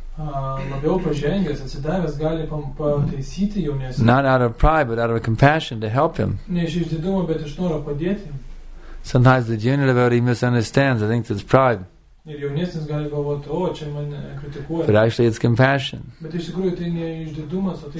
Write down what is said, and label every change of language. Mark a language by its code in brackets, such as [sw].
[lt] Labiau pažengęs, atsidavęs gali pataisyti jaunesnį. [en] Not out of pride, but out of compassion to help him. [lt] Ne iš išdidumo, bet iš noro padėti. [en] Sometimes the junior devotee misunderstands and thinks it's pride. [lt] Ir jaunesnis gali galvoti, o čia man kritikuoja. [en] But actually it's compassion. [lt] Bet iš tikrųjų tai ne išdidumas, o tai.